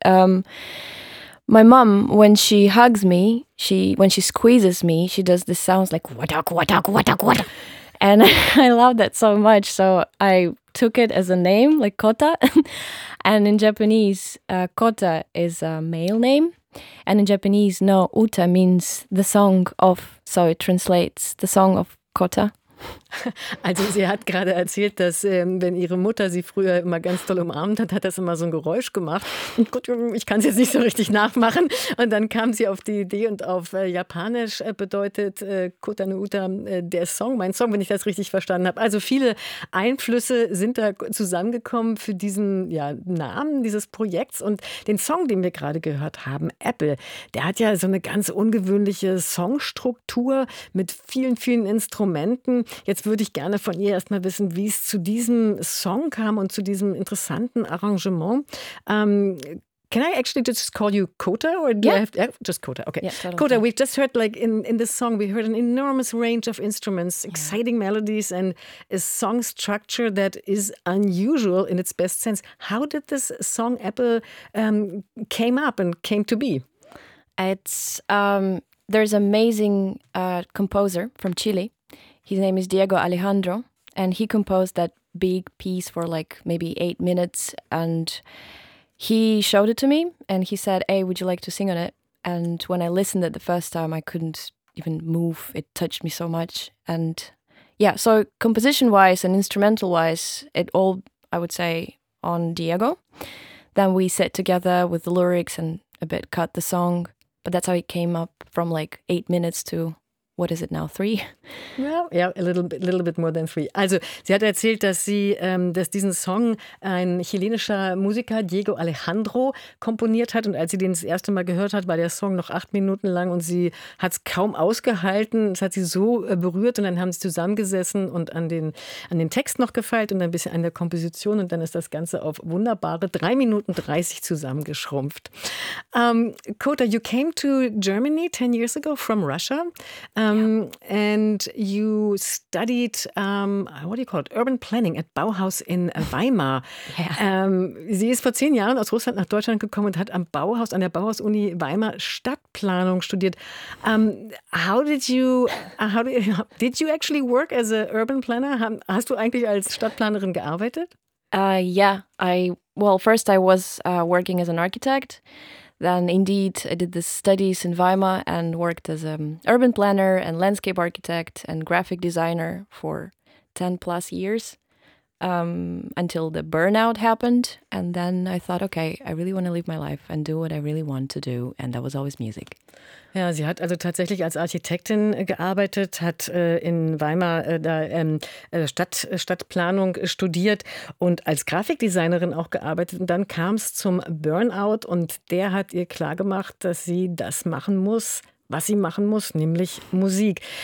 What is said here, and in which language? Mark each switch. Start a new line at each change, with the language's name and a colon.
English: My mom, when she hugs me, when she squeezes me, she does this sounds like watak watak watak watak, and I love that so much. So I took it as a name, like Kota, and in Japanese, Kota is a male name, and in Japanese, no, Uta means the song of. So it translates the song of Kota.
German: Also sie hat gerade erzählt, dass wenn ihre Mutter sie früher immer ganz doll umarmt hat, hat das immer so ein Geräusch gemacht. Und gut, ich kann es jetzt nicht so richtig nachmachen. Und dann kam sie auf die Idee und auf Japanisch bedeutet Kota Nuuta der Song, mein Song, wenn ich das richtig verstanden habe. Also viele Einflüsse sind da zusammengekommen für diesen Namen dieses Projekts. Und den Song, den wir gerade gehört haben, Apple, der hat ja so eine ganz ungewöhnliche Songstruktur mit vielen, vielen Instrumenten. Jetzt würde ich gerne von ihr erstmal wissen, wie es zu diesem Song kam und zu diesem interessanten Arrangement.
English: Can I actually just call you Kota? Just Kota, okay. Yeah, totally. Kota, we've just heard like in this song, we heard an enormous range of instruments, exciting melodies and a song structure that is unusual in its best sense. How did this song Apple came up and came to be? There's an amazing composer from Chile. His name is Diego Alejandro, and he composed that big piece for like maybe 8 minutes. And he showed it to me and he said, hey, would you like to sing on it? And when I listened it the first time, I couldn't even move. It touched me so much. And yeah, so composition wise and instrumental wise, it all, I would say, on Diego. Then we sat together with the lyrics and a bit cut the song. But that's how it came up from like 8 minutes to... What is it now? 3? A little bit more than 3.
German: Also, sie hat erzählt, dass sie, dass diesen Song ein chilenischer Musiker, Diego Alejandro, komponiert hat. Und als sie den das erste Mal gehört hat, war der Song noch 8 Minuten lang und sie hat es kaum ausgehalten. Es hat sie so berührt und dann haben sie zusammengesessen und an den Text noch gefeilt und ein bisschen an der Komposition. Und dann ist das Ganze auf wunderbare 3 Minuten 30 zusammengeschrumpft.
English: Kota, you came to Germany 10 years ago from Russia. And you studied, what do you call it, urban planning at Bauhaus in Weimar.
German: Sie ist vor 10 Jahren aus Russland nach Deutschland gekommen und hat am Bauhaus, an der Bauhaus-Uni Weimar Stadtplanung studiert.
English: How did you actually work as an urban planner?
German: Hast du eigentlich als Stadtplanerin gearbeitet?
English: I was working as an architect. Then indeed, I did the studies in Weimar and worked as an urban planner and landscape architect and graphic designer for 10 plus years until the burnout happened. And then I thought, okay, I really want to live my life and do what I really want to do. And that was always music.
German: Ja, sie hat also tatsächlich als Architektin gearbeitet, hat in Weimar Stadtplanung studiert und als Grafikdesignerin auch gearbeitet. Und dann kam es zum Burnout und der hat ihr klargemacht, dass sie das machen muss, was sie machen muss, nämlich Musik.